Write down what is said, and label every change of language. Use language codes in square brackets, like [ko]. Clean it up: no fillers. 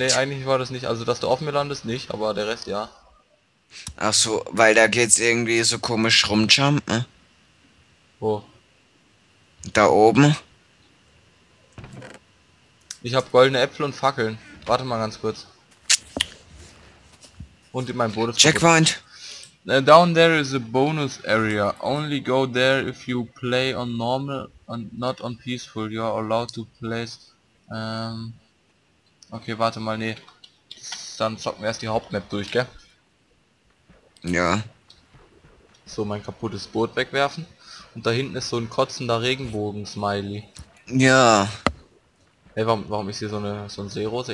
[de] Nee, eigentlich war das nicht. Also, dass du auf mir landest, nicht, aber der Rest, ja. Ach so, weil da geht's irgendwie so komisch rumjumpen, ne? Wo? Da oben. Ich habe goldene Äpfel und Fackeln. Warte mal ganz kurz. Und in meinem Bonus. Checkpoint. [en] Down there is a bonus area. Only go there if you play on normal and not on peaceful. You are allowed to place. [de] Okay, warte mal, nee. Dann zocken wir erst die Hauptmap durch, gell? Ja. So, mein kaputtes Boot wegwerfen. Und da hinten ist so ein kotzender Regenbogen-Smiley. Ja. Hey, warum ist hier so ein Seerose?